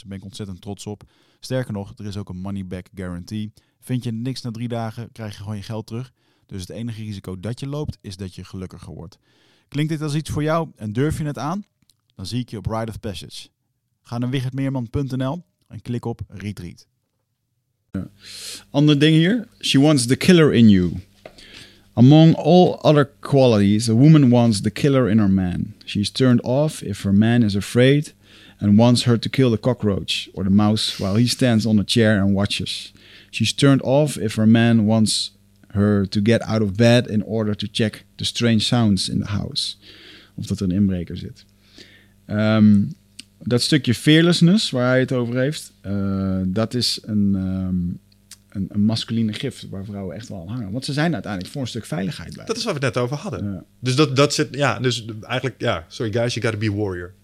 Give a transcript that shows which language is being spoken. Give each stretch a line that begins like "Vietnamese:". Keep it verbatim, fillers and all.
Dutch: Daar ben ik ontzettend trots op. Sterker nog, er is ook een money-back guarantee. Vind je niks na drie dagen, krijg je gewoon je geld terug. Dus het enige risico dat je loopt, is dat je gelukkiger wordt. Klinkt dit als iets voor jou en durf je het aan? Dan zie ik je op Rite of Passage. Ga naar wichertmeerman punt n l en klik op Retreat. Ander ding hier.
English: She wants the killer in you. Among all other qualities, a woman wants the killer in her man. She is turned off if her man is afraid and wants her to kill the cockroach or the mouse while he stands on a chair and watches. She is turned off if her man wants her to get out of bed in order to check the strange sounds in the house.
Dutch: Of dat er een inbreker zit. Um, dat stukje fearlessness waar hij het over heeft, uh, dat is een, um, een, een
English: masculine gift
Dutch: waar vrouwen echt wel aan hangen. Want ze zijn uiteindelijk voor een stuk veiligheid bij. Dat is waar we het net over hadden. Ja. Dus dat, dat zit, ja, dus eigenlijk, ja,
English: sorry guys, you gotta be warrior.